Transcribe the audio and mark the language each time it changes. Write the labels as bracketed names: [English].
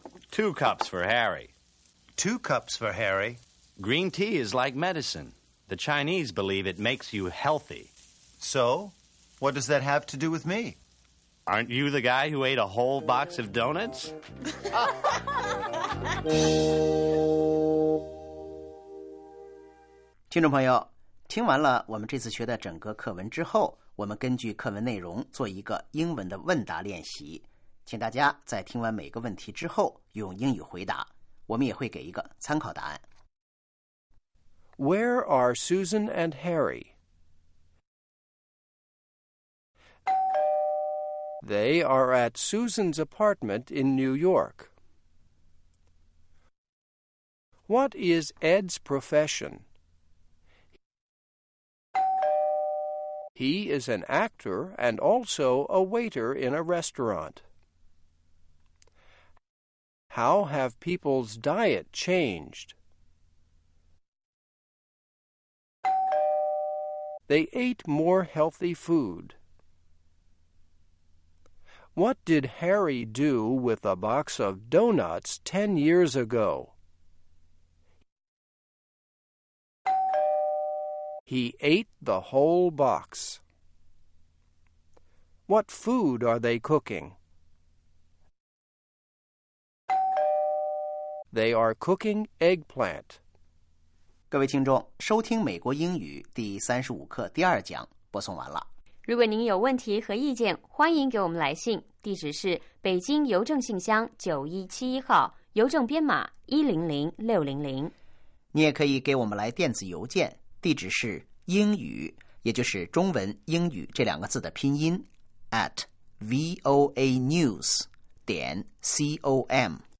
[English] 2 cups for Harry. 2 cups for Harry? Green tea is like medicine. The Chinese believe it makes you healthy. So, what does that have to do with me? Aren't you the guy who ate a whole box of donuts? [Chinese] 听众朋友，听完了我们这次学的整个课文之后，我们根据课文内容做一个英文的问答练习，请大家在听完每个问题之后用英语回答，我们也会给一个参考答案。 [English] Where are Susan and Harry? They are at Susan's apartment in New York. What is Ed's profession? He is an actor and also a waiter in a restaurant. How have people's diet changed? They ate more healthy food. What did Harry do with a box of donuts 10 years ago? He ate the whole box. What food are they cooking? They are cooking eggplant. [Chinese] 各位听众，收听美国英语第35课第二讲播送完了。如果您有问题和意见，欢迎给我们来信，地址是北京邮政信箱9171号，邮政编码100600。你也可以给我们来电子邮件，地址是英语，也就是中文英语这两个字的拼音 @voanews.com。